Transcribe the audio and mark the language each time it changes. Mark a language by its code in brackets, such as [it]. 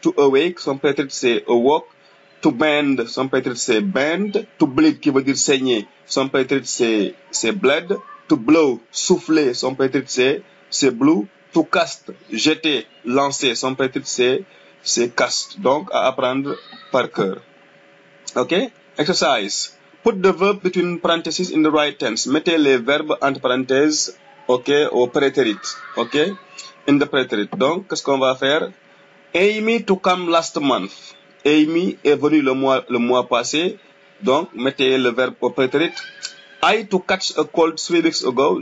[fr] To awake, son préterit c'est awoke. To bend, son préterit c'est bend. To bleed, qui veut dire saigner, son préterit c'est bled. To blow, souffler, son préterit c'est blue. To cast, jeter, lancer, son préterit c'est cast. Donc, à apprendre par cœur. Ok? Exercise. [en] Put the verb between parentheses in the right tense. [fr] Mettez les verbes entre parenthèses, ok, au préterit. Ok? In the préterit. Donc, qu'est-ce qu'on va faire? [en] Amy to come last month. [fr] Amy est venue le mois passé. Donc, mettez le verbe au préterit. [en] I to catch a cold 3 weeks ago.